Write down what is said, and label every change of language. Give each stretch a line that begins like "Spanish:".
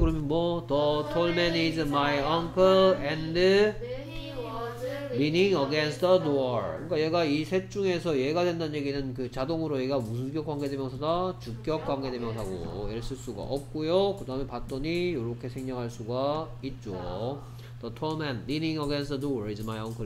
Korean: 그러면 뭐
English: The tall man is my uncle and he was leaning against the door.
Korean: 그러니까 얘가 이 셋 중에서 얘가 된다는 얘기는 그 자동으로 얘가 무슨 격 관계대명사다? 주격 관계대명사고 얘를 쓸 수가 없고요. 그 다음에 봤더니 이렇게 생략할 수가 있죠.
English: The tall man leaning against the door is my uncle.